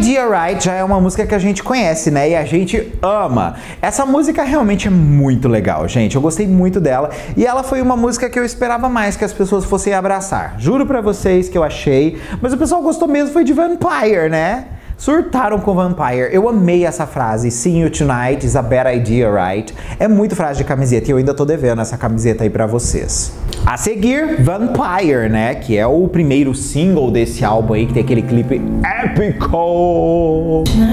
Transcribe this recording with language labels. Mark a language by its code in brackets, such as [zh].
[pt] Right já é uma música que a gente conhece, né? E a gente ama. Essa música realmente é muito legal, gente. Eu gostei muito dela. E ela foi uma música que eu esperava mais que as pessoas fossem abraçar. Juro pra vocês que eu achei. Mas o pessoal gostou mesmo foi de Vampire, né? Surtaram com Vampire. Eu amei essa frase. [en] Seeing you tonight is a bad idea, right? [pt] É muito frase de camiseta e eu ainda tô devendo essa camiseta aí pra vocês. A seguir, Vampire, né? Que é o primeiro single desse álbum aí, que tem aquele clipe épico.